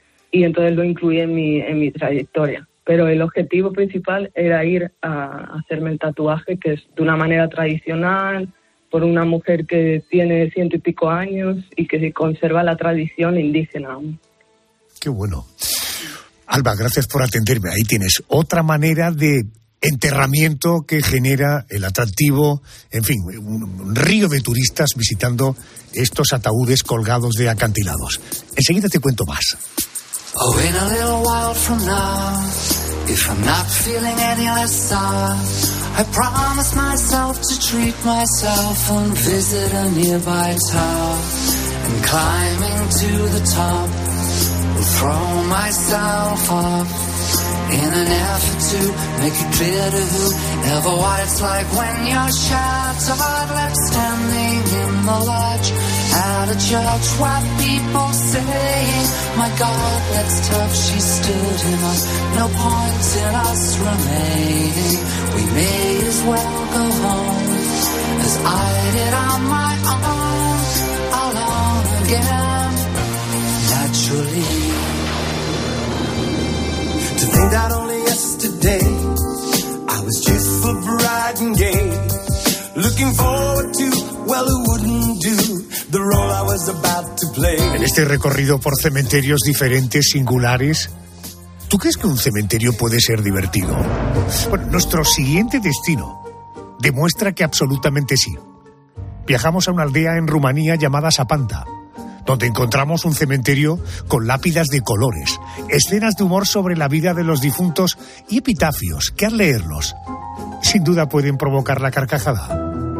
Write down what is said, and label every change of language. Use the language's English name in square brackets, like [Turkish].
[Spanish] Y entonces lo incluí en mi trayectoria. Pero el objetivo principal era ir a hacerme el tatuaje, que es de una manera tradicional, por una mujer que tiene 100 y pico años y que conserva la tradición indígena aún. ¡Qué bueno! Alba, gracias por atenderme. Ahí tienes otra manera de enterramiento que genera el atractivo, en fin, un río de turistas visitando estos ataúdes colgados de acantilados. Enseguida te cuento más. [English] Oh, in a little while from now, if I'm not feeling any less sad, I promise myself to treat myself and visit a nearby town. And climbing to the top, I'll throw myself up in an effort to make it clear to whoever what it's like when you're shattered, left standing in the lodge at a church where people saying, my God, that's tough, she stood him up. No point in us remaining, we may as well go home as I did on my own, alone again, naturally. To think that only yesterday I was cheerful, bright and gay, looking forward to, well, it wouldn't do the role I was about to play. [Spanish] En este recorrido por cementerios diferentes, singulares, ¿tú crees que un cementerio puede ser divertido? Bueno, nuestro siguiente destino demuestra que absolutamente sí. Viajamos a una aldea en Rumanía llamada Sapanta, donde encontramos un cementerio con lápidas de colores, escenas de humor sobre la vida de los difuntos y epitafios que al leerlos, sin duda pueden provocar la carcajada.